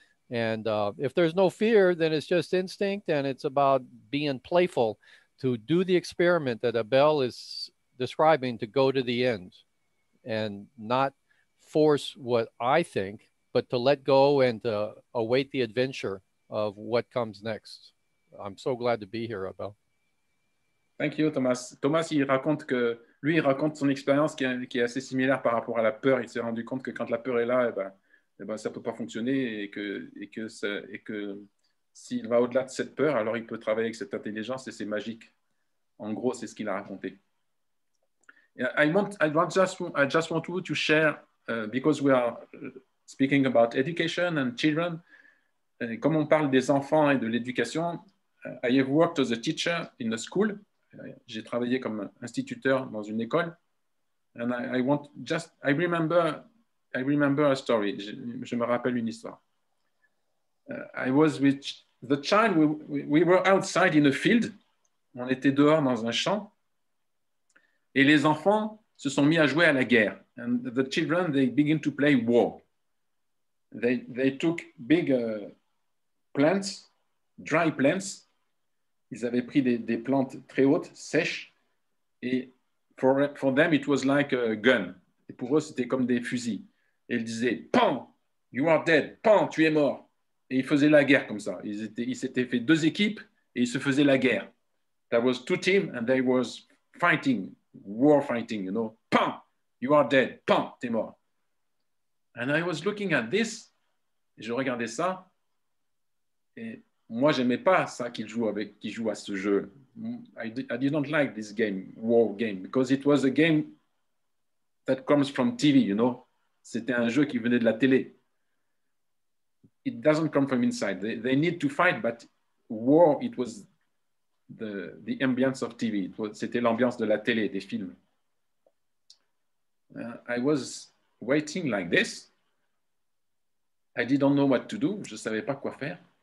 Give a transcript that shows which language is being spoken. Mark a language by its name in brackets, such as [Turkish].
[English] And if there's no fear, then it's just instinct, and it's about being playful to do the experiment that Abel is describing, to go to the end and not force what I think, but to let go and to await the adventure of what comes next. I'm so glad to be here, Abel. Thank you, Thomas. [French] Thomas, il raconte son expérience qui est assez similaire par rapport à la peur. Il s'est rendu compte que quand la peur est là, eh ben, ça ne peut pas fonctionner, et que s'il va au-delà de cette peur, alors il peut travailler avec cette intelligence, et c'est magique. En gros, c'est ce qu'il a raconté. [English] I just want you to share, because we are speaking about education and children, [French] comme on parle des enfants et de l'éducation, [English] I have worked as a teacher in a school. [French] J'ai travaillé comme instituteur dans une école. [English] And I remember a story. [French] Je me rappelle une histoire. [English] I was with the child. We were outside in a field. [French] On était dehors dans un champ. Et les enfants se sont mis à jouer à la guerre. [English] And the children, they begin to play war. They took big plants, dry plants. [French] Ils avaient pris des plantes très hautes, sèches. Et [English] for them, it was like a gun. [French] Et pour eux, c'était comme des fusils. Et ils disaient, pan, [English] you are dead, [French] pan, tu es mort. Et ils faisaient la guerre comme ça. Ils s'étaient fait deux équipes et ils se faisaient la guerre. [English] There was two teams and they was fighting, war fighting, you know. [French] Pan, [English] you are dead, [French] pan, tu es mort. [English] And I was looking at this, [French] et je regardais ça, et moi, j'aimais pas ça qu'ils jouent à ce jeu. [English] I did not like this game, war game, because it was a game that comes from TV, you know. [French] C'était un jeu qui venait de la télé. [English] It doesn't come from inside. They need to fight, but war, it was the ambiance of TV. [French] C'était l'ambiance de la télé, des films. [English] I was waiting like this. I didn't know what to do. [French] Je ne savais pas quoi faire.